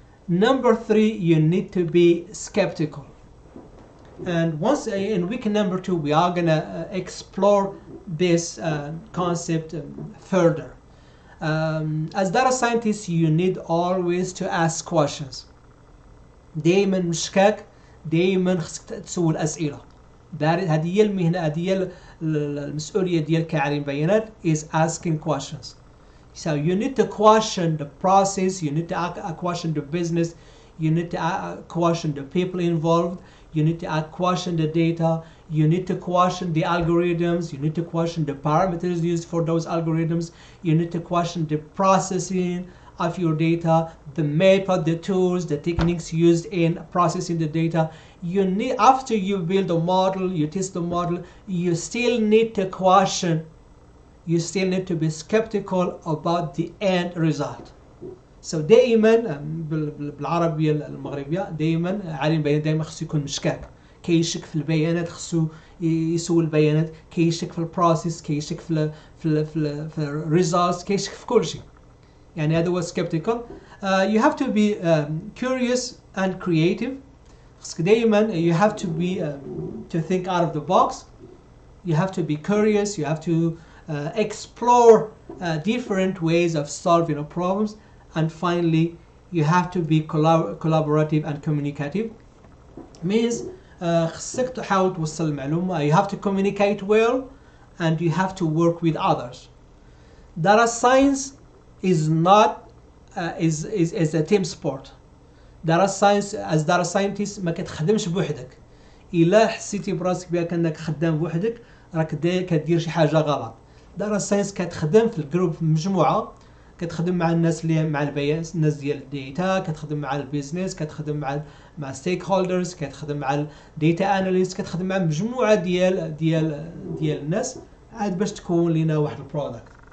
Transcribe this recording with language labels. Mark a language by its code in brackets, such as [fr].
[en] Number three, you need to be skeptical. And once in week number two, we are gonna explore this concept further. As data scientists, you need always to ask questions. [ar] دائما مشكاك دائما خصك تسول اسئله. هذه هي المهنه، هذه هي المسؤوليه ديال كعالم بيانات، [en] is asking questions. So you need to question the process, you need to question the business, you need to question the people involved, you need to question the data, you need to question the algorithms, you need to question the parameters used for those algorithms, you need to question the processing of your data, the method, the tools, the techniques used in processing the data. You need, after you build a model, you test the model, you still need to question, you still need to be skeptical about the end result. [ar] So دائما بالعربية المغربية دائما عالم بيانات دائما خصو يكون مشكاك، كيشك في البيانات خصو يسول البيانات، كيشك في البروسيس، كيشك في الـ في الـ في الـ في الريزالتس، كيشك في كل شيء. يعني هذا هو [en] skeptical. You have to be curious and creative. [ar] خصك دائما [en] you have to be to think out of the box. You have to be curious. You have to explore different ways of solving problems. And finally, you have to be collaborative and communicative. [ar] Means خصك تحاول توصل المعلومة. [en] You have to communicate well and you have to work with others. Data science is not is a team sport. Data science, as data scientist, [ar] ما كتخدمش بوحدك. إلا حسيتي براسك بيها كأنك خدام بوحدك راك كدير شي حاجة غلط. Data science كتخدم في الجروب، في مجموعة، كتخدم مع الناس اللي مع البيانات، الناس ديال الديتا، كتخدم مع البيزنس، كتخدم مع ستيك هولدرز، كتخدم مع الديتا اناليست، كتخدم مع مجموعة ديال الناس عاد باش تكون لينا واحد البرودكت.